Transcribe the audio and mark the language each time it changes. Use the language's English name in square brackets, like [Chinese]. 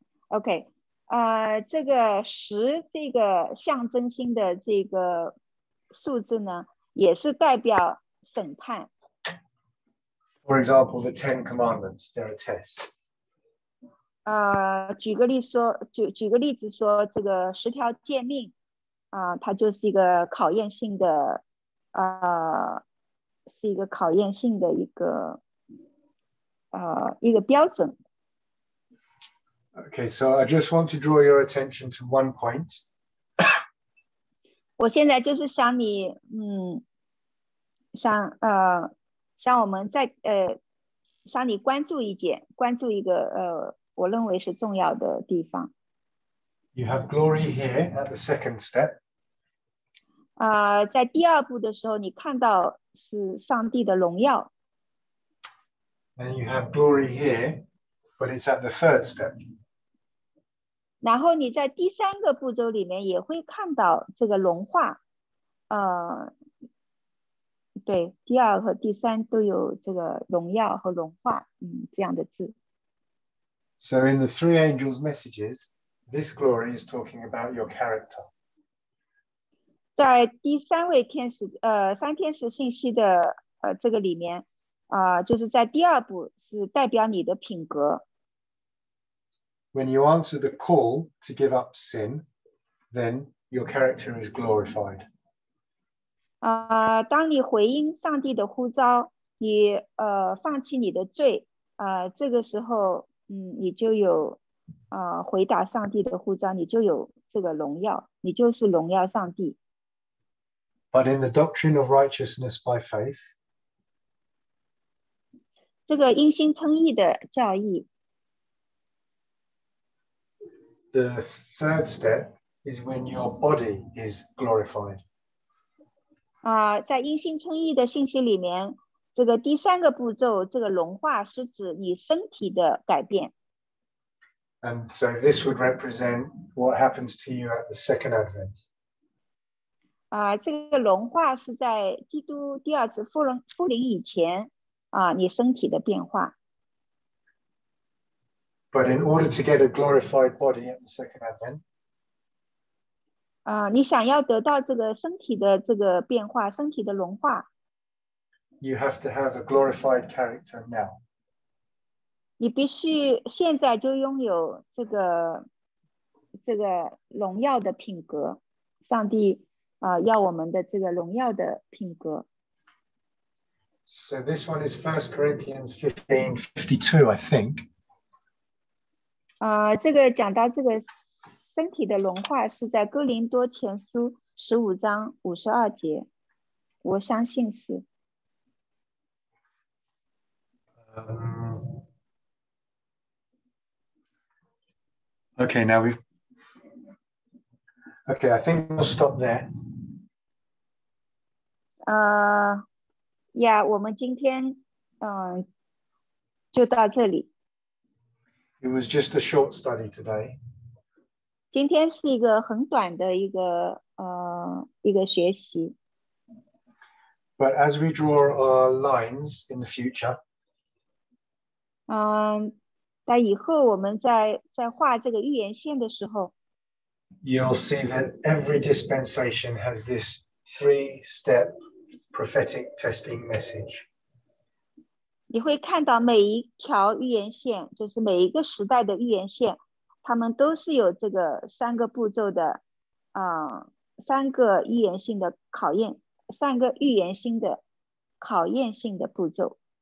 [Chinese] Okay, 这个十这个象征性的这个数字呢，也是代表审判。 [English] For example, the Ten Commandments, they're a test. [Chinese] 举个例子说，这个十条诫命，它就是一个考验性的，是一个考验性的一个标准。 [English] Okay, so I just want to draw your attention to one point. [Chinese] 我现在就是想你，想我们在想你关注一个我认为是重要的地方。 [English] You have glory here at the second step. [Chinese] 在第二步的时候，你看到是上帝的荣耀。 [English] And you have glory here, but it's at the third step. [Chinese] 然后你在第三个步骤里面也会看到这个融化，对，第二和第三都有这个荣耀和融化，这样的字。 [English] So in the three angels' messages, this glory is talking about your character. [Chinese] 在第三位天使，三天使信息的这个里面，就是在第二步是代表你的品格。 [English] When you answer the call to give up sin, then your character is glorified. [Chinese] 当你回应上帝的呼召，你放弃你的罪，这个时候，你就有回答上帝的呼召，你就有这个荣耀，你就是荣耀上帝。 [English] But in the doctrine of righteousness by faith, [Chinese] 这个因信称义的教义。 [English] The third step is when your body is glorified. [Chinese] 在因信称义的信息里面，这个第三个步骤，这个融化是指你身体的改变。 [English] And so this would represent what happens to you at the second advent. [Chinese] 啊，这个融化是在基督第二次复临以前啊，你身体的变化。 [English] But in order to get a glorified body at the second advent. [Chinese] 啊，你想要得到这个身体的这个变化，身体的融化。 [English] You have to have a glorified character now. [Chinese] 你必须现在就拥有这个荣耀的品格，上帝要我们的这个荣耀的品格。 [English] So this one is 1 Corinthians 15:52, I think. [Chinese] 这个讲到这个身体的荣化是在哥林多前书15:52，我相信是。 [English] Okay, now we've. Okay, I think we'll stop there. [Chinese] Yeah, 我们今天就到这里。 [English] It was just a short study today. [Chinese] 今天是一个很短的一个学习。 [English] But as we draw our lines in the future. [Chinese] 但以后我们在画这个预言线的时候 [English] ，You'll see that every dispensation has this three-step prophetic testing message. [Chinese] 你会看到每一条预言线，就是每一个时代的预言线，他们都是有这个三个步骤的，三个预言性的考验，三个预言性的考验性的步骤。